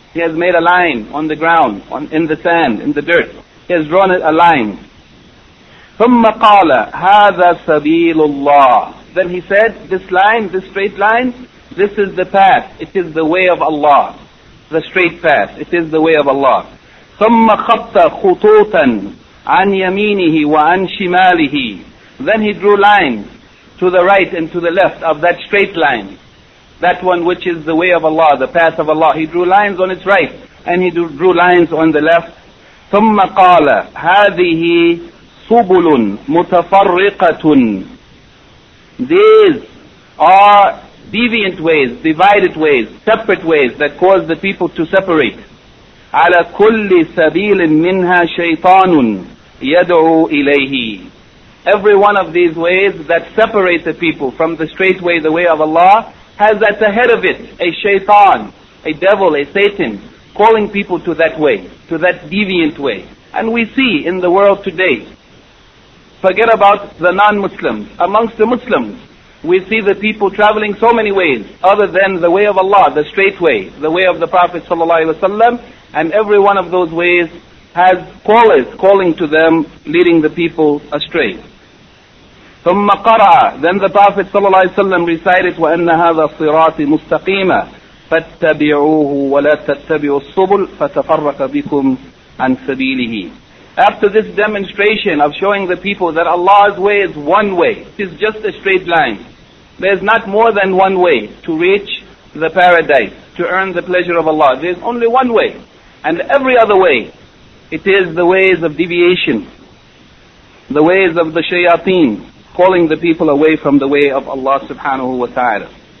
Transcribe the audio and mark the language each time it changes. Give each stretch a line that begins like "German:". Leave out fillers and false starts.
English: He has made a line on the ground, in the sand, in the dirt. He has drawn a line.
Arabic: ثُمَّ قَالَ هَذَا سَبِيلُ اللَّهِ.
English: Then he said, this line, this straight line, this is the path. It is the way of Allah. The straight path. It is the way of Allah.
Arabic: ثم خط خطوطا عن يمينه وعن شماله.
English: Then he drew lines to the right and to the left of that straight line, that one which is the way of Allah, the path of Allah. He drew lines on its right and he drew lines on the left.
Arabic: ثم قال هذه سبل متفرقة.
English: These are deviant ways, divided ways, separate ways that cause the people to separate.
Arabic: على كل سبيل منها شيطان يدعو إليه.
English: Every one of these ways that separate the people from the straight way, the way of Allah, has at the head of it a shaitan, a devil, a Satan, calling people to that way, to that deviant way. And we see in the world today, forget about the non-Muslims, amongst the Muslims, we see the people traveling so many ways other than the way of Allah, the straight way, the way of the Prophet ﷺ, and every one of those ways has callers calling to them, leading the people astray.
Arabic: ثم قرأ.
English: Then the Prophet
Arabic: صلى الله عليه وسلم
English: recited,
Arabic: وَأَنَّ هَذَا الصِّرَاطِ مُسْتَقِيمًا فَاتَّبِعُوهُ وَلَا تَتَّبِعُوا الصُّبُلَ فَتَفَرَّقَ بِكُمْ عَنْ سَبِيلِهِ.
English: After this demonstration of showing the people that Allah's way is one way, it is just a straight line. There is not more than one way to reach the paradise, to earn the pleasure of Allah. There is only one way. And every other way, it is the ways of deviation, the ways of the shayateen, calling the people away from the way of Allah subhanahu wa ta'ala.